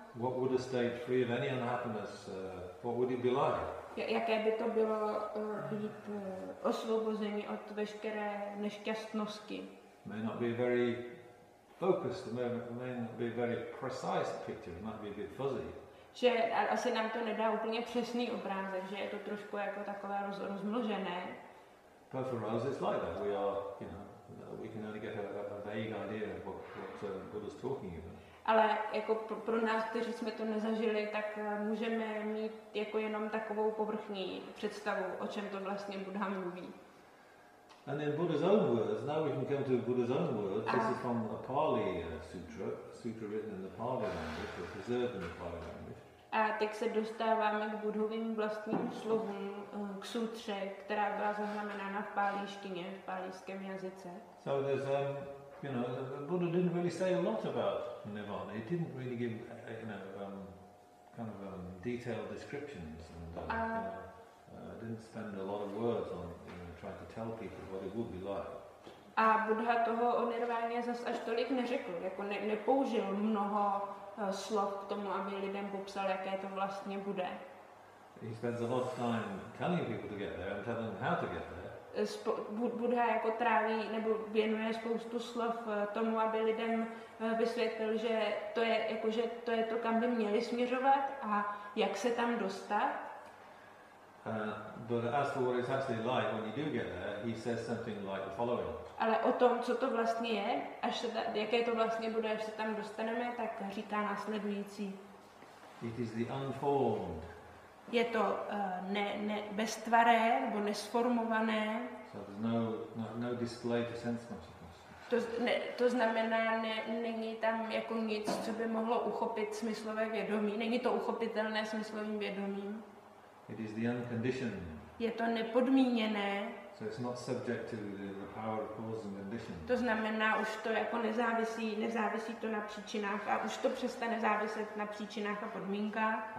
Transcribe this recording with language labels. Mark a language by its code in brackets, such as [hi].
[en] What would a state free of any unhappiness, what would it be like? [cs] Jaké by to bylo být osvobození od veškeré nešťastnosti? [en] May not be a very focused, may not be a very precise picture, might be a bit fuzzy. [cs] Že asi nám to nedá úplně přesný obrázek, že je to trošku jako takové rozmlžené. [en] But for us it's like that. We are, you know, we can only get a vague idea of what Buddha's talking about. [cs] Ale jako pro nás, kteří jsme to nezažili, tak můžeme mít jako jenom takovou povrchní představu, o čem to vlastně Buddha mluví. [en] And in Buddha's own words, now we can come to Buddha's own words. This is from a Pali sutra, sutra written in the Pali language, or preserved in the Pali language. [cs] A teď se dostáváme k Buddhovým vlastním slovům, k sutře, která byla zaznamenána v pálištině, v pálískem jazyce. [en] So there's, you know, the Buddha didn't really say a lot about Nirvana. He didn't really give, you know, kind of detailed descriptions and didn't spend a lot of words on, you know, trying to tell people what it would be like. [cs] A Buddha toho o Nirváně zas až tolik neřekl, jako nepoužil mnoho slov k tomu, aby lidem popsal, jaké to vlastně bude. [en] He spends a lot of time telling people to get there and telling them how to get there. [cs] Buddha jako tráví nebo věnuje spoustu slov tomu, aby lidem vysvětlil, že to je jako, že to je to, kam by měli směřovat a jak se tam dostat. [en] But as for what it's actually like when you do get there, he says something like the following. [cs] Ale o tom, co to vlastně je, až se jaké to vlastně bude, až se tam dostaneme, tak říká následující. [en] It is the unformed. [cs] Je to bestvaré nebo nesformované. [en] So there's no display to sense consciousness. [cs] To znamená, není tam jako nic, co by mohlo uchopit smyslové vědomí. Není to uchopitelné smyslovým vědomím. [en] It is the unconditioned. [cs] Je to nepodmíněné. [en] So it's not subject to the power of cause and condition. [cs] To znamená, už to jako nezávisí to na příčinách a už to přestane záviset na příčinách a podmínkách.